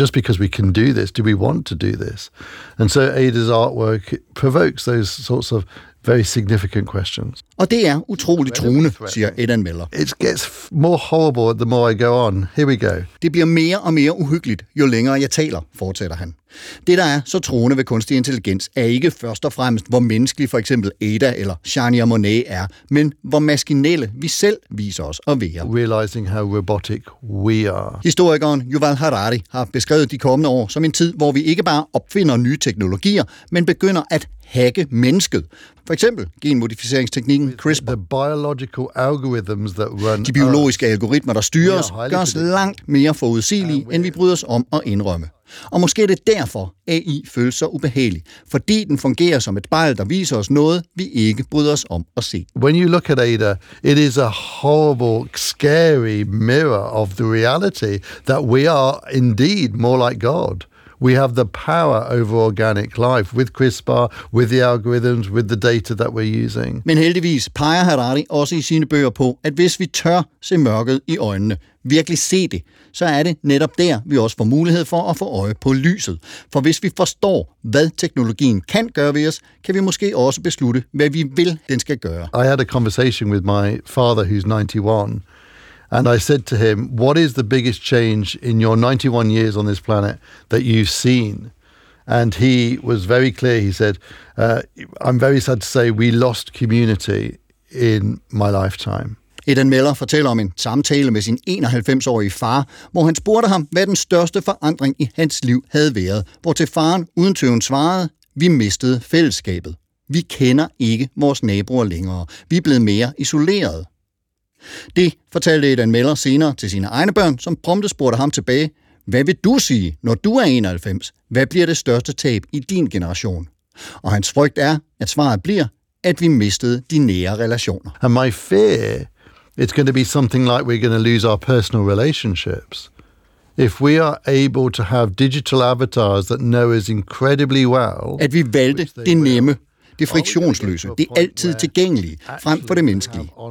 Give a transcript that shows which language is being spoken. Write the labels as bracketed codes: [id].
[en] Just because we can do this, do we want to do this? And so Ada's artwork provokes those sorts of very significant questions. [da] Og det er utroligt truende, siger Edan Meller. [en] It gets more horrible the more I go on. Here we go. [da] Det bliver mere og mere uhyggeligt, jo længere jeg taler, fortsætter han. Det, der er så truende ved kunstig intelligens, er ikke først og fremmest, hvor menneskelig for eksempel Ada eller Shania Monet er, men hvor maskinelle vi selv viser os at være. [en] Realizing how robotic we are. [da] Historikeren Yuval Harari har beskrevet de kommende år som en tid, hvor vi ikke bare opfinder nye teknologier, men begynder at hacke mennesket. For eksempel genmodificeringsteknikken CRISPR. [en] The biological algorithms that run [da] de biologiske algoritmer, der styrer os, gør os langt mere forudsigelige, end vi bryder os om at indrømme. Og måske er det derfor, AI føles så ubehagelig, fordi den fungerer som et spejl, der viser os noget, vi ikke bryder os om at se. [en] When you look at Ada, it is a horrible, scary mirror of the reality that we are indeed more like God. We have the power over organic life with CRISPR, with the algorithms, with the data that we're using. [da] Men heldigvis peger Harari også i sine bøger på, at hvis vi tør se mørket i øjnene, virkelig se det, så er det netop der, vi også får mulighed for at få øje på lyset. For hvis vi forstår, hvad teknologien kan gøre ved os, kan vi måske også beslutte, hvad vi vil, den skal gøre. [en] I had a conversation with my father, who's 91, and I said to him, what is the biggest change in your 91 years on this planet that you've seen? And he was very clear. He said, I'm very sad to say we lost community in my lifetime. [da] Edan Meller fortæller om en samtale med sin 91-årige far, hvor han spurgte ham, hvad den største forandring i hans liv havde været, hvor til faren uden tøven svarede, vi mistede fællesskabet. Vi kender ikke vores naboer længere. Vi er blevet mere isolerede. Det fortalte Edan Meller senere til sine egne børn, som prompte spurgte ham tilbage, hvad vil du sige, når du er 91? Hvad bliver det største tab i din generation? Og hans frygt er, at svaret bliver, at vi mistede de nære relationer. [en] And my fear, it's going to be something like we're going to lose our personal relationships. If we are able to have digital avatars that know us incredibly well, [da] at vi valgte det nemme, det friktionsløse, det altid tilgængelige, frem for det menneskelige.